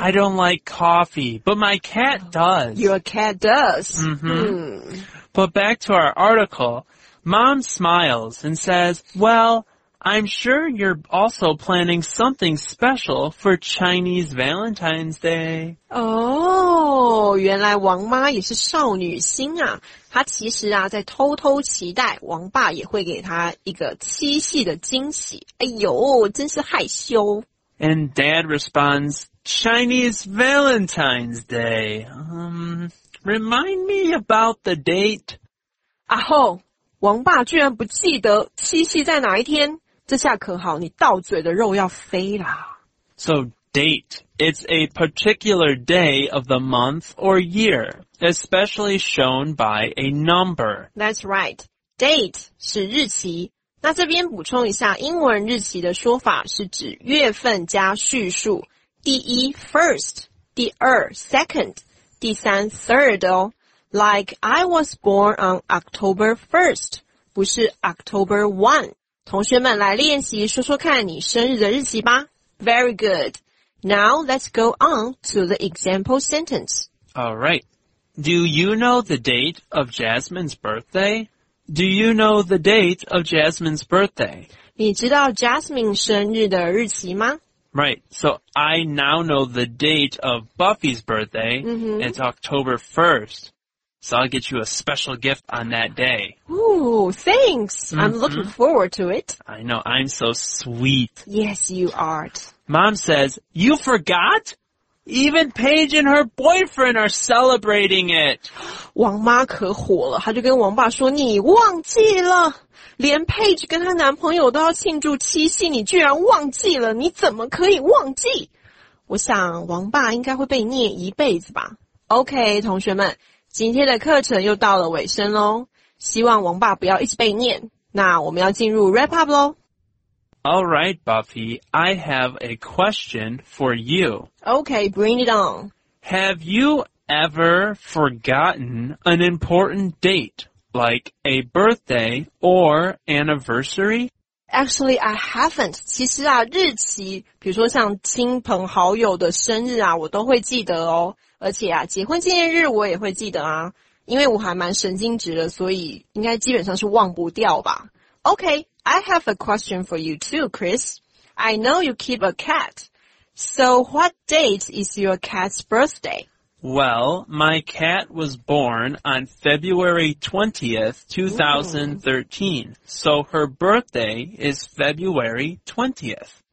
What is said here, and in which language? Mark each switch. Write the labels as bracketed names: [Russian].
[English] I don't like coffee, but my cat does. Your cat does. Mm-hmm. But back to our article, Mom smiles and says, well, I'm sure you're also planning something special for Chinese Valentine's Day. [Chinese] Oh, 原来王妈也是少女心啊。她其实啊，在偷偷期待王爸也会给她一个七夕的惊喜。哎呦，真是害羞。 [English] And Dad responds, Chinese Valentine's Day. Remind me about the date. [Chinese] 啊吼，王爸居然不记得七夕在哪一天。这下可好，你到嘴的肉要飞啦。 [English] So, date. It's a particular day of the month or year, especially shown by a number. That's right. [Chinese] Date 是日期，那这边补充一下，英文日期的说法是指月份加序数，第一 first， 第二 second， 第三 third 哦。 [English] Like I was born on October 1st， [Chinese] 不是 [English] October 1。 [Chinese] 同学们来练习说说看你生日的日期吧。 [English] Very good. Now let's go on to the example sentence. All right. Do you know the date of Jasmine's birthday? Do you know the date of Jasmine's birthday? [Chinese] 你知道 Jasmine 生日的日期吗？ [English] Right, so I now know the date of Buffy's birthday. Mm-hmm. It's October 1st. So I'll get you a special gift on that day. Ooh, thanks. Mm-hmm. I'm looking forward to it. I know, I'm so sweet. Yes, you are. Mom says, you forgot? Even Paige and her boyfriend are celebrating it. [Chinese] 王妈可火了，她就跟王爸说，你忘记了。连 Paige 跟她男朋友都要庆祝七夕，你居然忘记了，你怎么可以忘记？我想王爸应该会被念一辈子吧。OK， 同学们，今天的课程又到了尾声咯，希望王爸不要一直被念。那我们要进入 wrap up 咯。 [English] All right, Buffy, I have a question for you. Okay, bring it on. Have you ever forgotten an important date? Like a birthday or anniversary? Actually, I haven't. [Chinese] 其实啊，日期，比如说像亲朋好友的生日啊，我都会记得哦。而且啊，结婚纪念日我也会记得啊，因为我还蛮神经质的，所以应该基本上是忘不掉吧。 [English] Okay, I have a question for you too, Chris. I know you keep a cat. So what date is your cat's birthday? Well, my cat was born on February 20th, 2013, so her birthday is February 20th.